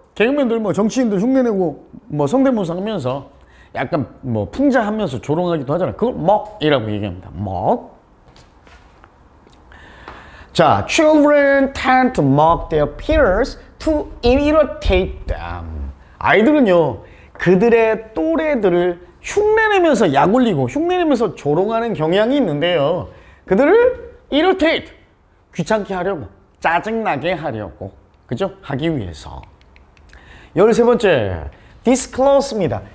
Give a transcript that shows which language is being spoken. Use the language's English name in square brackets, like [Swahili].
[Korean] 개그맨들 뭐 정치인들 흉내내고 뭐 성대모사 하면서 약간 뭐 풍자하면서 조롱하기도 하잖아. 그걸 먹이라고 얘기합니다. 먹. [English] 자, children tend to mock their peers to irritate them. [Korean] 아이들은요, 그들의 또래들을 흉내내면서 약올리고 흉내내면서 조롱하는 경향이 있는데요. 그들을 irritate, 귀찮게 하려고, 짜증나게 하려고, 그죠? 하기 위해서. 13번째, disclose입니다.